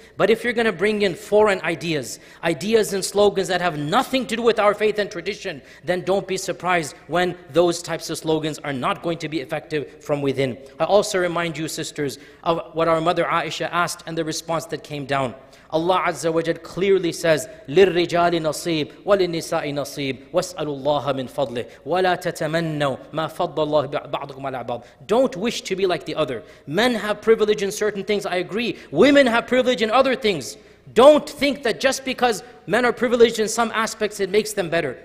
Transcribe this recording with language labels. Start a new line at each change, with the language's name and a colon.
English: But if you're going to bring in foreign ideas, ideas and slogans that have nothing to do with our faith and tradition, then don't be surprised when those types of slogans are not going to be effective from within. I also remind you, sisters, of what our mother Aisha asked and the response that came down. Allah Azza wa Jal clearly says,
Arabic: لِلْرِجَالِ نَصِيبٍ وَلِلنِّسَاءِ نَصِيبٍ وَاسْأَلُوا اللَّهَ مِنْ فَضْلِهِ وَلَا تَتَمَنَّوا مَا فَضَّ اللَّهُ بَعْضُكُمْ عَلَىٰ بَعْضٍ.
English: Don't wish to be like the other. Men have privilege in certain things, I agree. Women have privilege in other things. Don't think that just because men are privileged in some aspects, it makes them better.